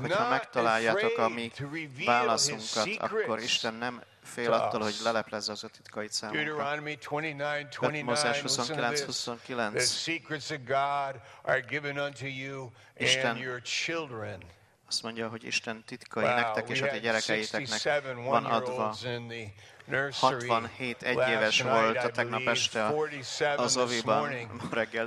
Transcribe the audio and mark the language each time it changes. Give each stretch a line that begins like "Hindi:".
Hungarian: Hogyha megtaláljátok a mi válaszunkat, akkor Isten nem fél attól, hogy leleplezze az ő titkait számunkra. Mózes 29:29.
English: The secrets of God are given unto you and your children.
Hungarian: Azt mondja, hogy Isten titkai nektek és a ti gyerekeiteknek van adva. 67 egyéves volt a tegnap este az oviban, reggel